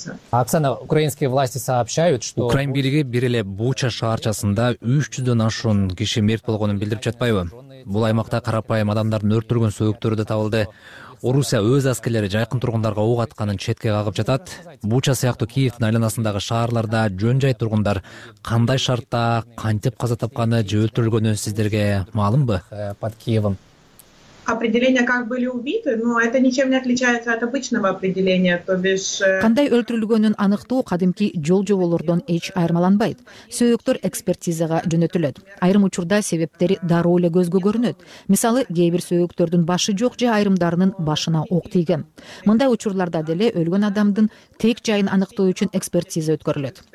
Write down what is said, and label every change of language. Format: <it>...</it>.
<ru>Оксана, украинские власти сообщают, что</ru> <ky>Украин бириги бир эле Буча шаарчасында 300 ашуун киши мерт болгонун билдирип жатпайбы? Бул аймакта карапайым адамдардын өрттүргөн сөөктөрү да табылды. Орусия өз аскерлери жакын тургундарга ок атканын четке кагып жатат. Буча сыяктуу Киевдин айланасындагы шаарларда жөн жай тургундар кандай шартта, кантип каза тапканы же өлтүрүлгөнү сиздерге маалымбы?</ky> <ru>Под Киевом. Определение, как были убиты, это ничем не отличается от обычного определения, то бишь</ru> <ky>кандай өлтүрүлгөнүн аныктоо кадимки жол-жоболордон эч айырмаланбайт. Сөөктөр экспертизага жөнөтүлөт. Айрым учурда себептери дароо эле көзгө көрүнөт. Мисалы, кээ бир сөөктөрдүн башы жок же айрымдарынын башына ок тийген. Мындай учурларда деле өлгөн адамдын тек жайын аныктоо үчүн экспертиза өткөрүлөт.</ky>